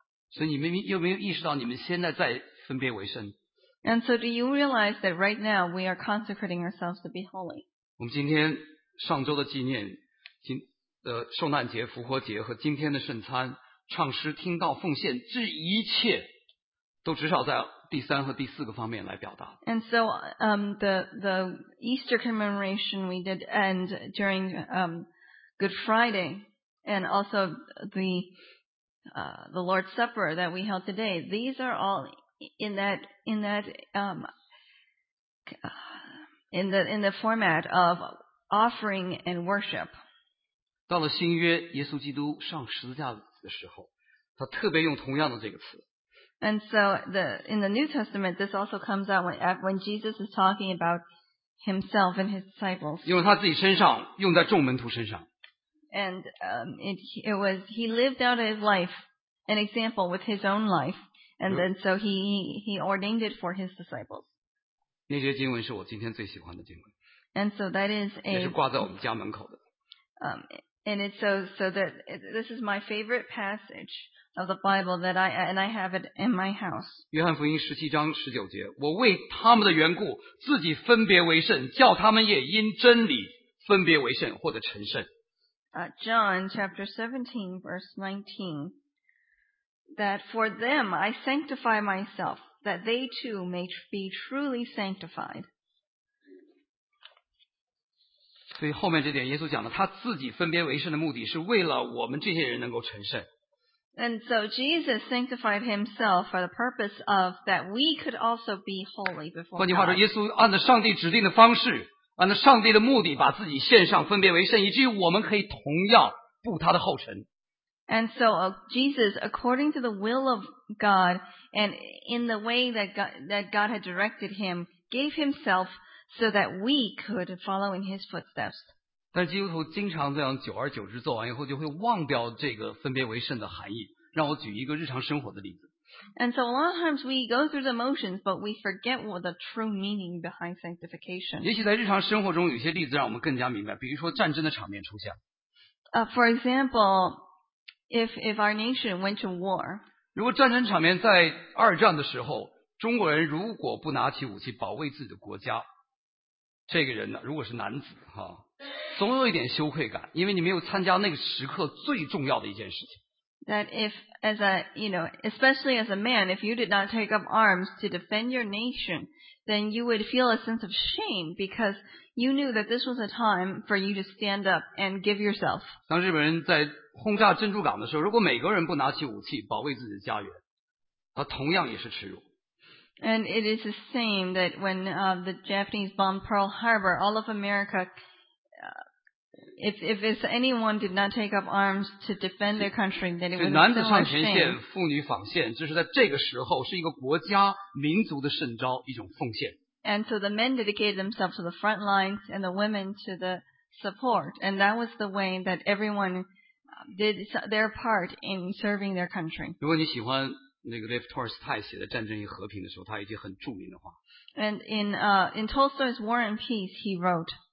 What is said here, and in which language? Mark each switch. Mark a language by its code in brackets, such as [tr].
[zh] 所以你们有没有意识到你们现在在分别为圣？ [en] And so do you realize that right now we are consecrating ourselves to be holy? [zh] 我们今天上周的纪念受难节、复活节和今天的圣餐、唱诗、听到、奉献，这一切都至少在第三和第四个方面来表达。 [en] And so, the Easter commemoration we did and during Good Friday, and also the Lord's Supper that we held today, these are all in the format of offering and worship. [zh] 到了新约，耶稣基督上十字架的时候，他特别用同样的这个词。 [en] And so in the New Testament, this also comes out when Jesus is talking about himself and his disciples. [zh] 用他自己身上，用在众门徒身上。 [en] And it was he lived out his life, an example with his own life, and then so he ordained it for his disciples. [zh] 那些经文是我今天最喜欢的经文。 [en] And so that is a [zh] 也是挂在我们家门口的。 [en] And it's so that this is my favorite passage of the Bible that I have it in my house. [zh] 约翰福音十七章十九节，我为他们的缘故，自己分别为圣，叫他们也因真理分别为圣，或者成圣。 [en] John chapter 17 verse 19, that for them I sanctify myself, that they too may be truly sanctified. [zh] 所以后面这点耶稣讲的他自己分别为圣的目的是为了我们这些人能够成圣。 [en] And so Jesus sanctified himself for the purpose of that we could also be holy before God. [zh] 换句话说，耶稣按照上帝指定的方式，按照上帝的目的把自己献上分别为圣，以至于我们可以同样步他的后尘。 [en] And so Jesus, according to the will of God, and in the way that God had directed him, gave himselfso that we could follow in his footsteps. [zh] 但基督徒经常这样久而久之做完以后就会忘掉这个分别为圣的含义。让我举一个日常生活的例子。 [en] And so a lot of times we go through the motions, but we forget what the true meaning behind sanctification. [zh] 也许在日常生活中有些例子让我们更加明白，比如说战争的场面出现。 [en] For example, if our nation went to war. [zh] 如果战争场面在二战的时候，中国人如果不拿起武器保卫自己的国家，这个人呢，如果是男子哈，总有一点羞愧感，因为你没有参加那个时刻最重要的一件事情。 [en] That if as a you know, especially as a man, if you did not take up arms to defend your nation, then you would feel a sense of shame because you knew that this was a time for you to stand up and give yourself. [zh] 当日本人在轰炸珍珠港的时候，如果每个人不拿起武器保卫自己的家园，他同样也是耻辱。 [en] And it is the same that when the Japanese bombed Pearl Harbor, all of America if it's anyone did not take up arms to defend their country, then it was [zh] 男子上前线, 妇女纺线, 就是在这个时候是一个国家民族的圣招一种奉献。 [en] And so the men dedicated themselves to the front lines and the women to the support. And that was the way that everyone did their part in serving their country. [zh] 如果你喜欢那个 Lev Tolstoy 写的《战争与和平》的时候, 他有一句很著名的话。 [en] And in Tolstoy's War and Peace, he wrote,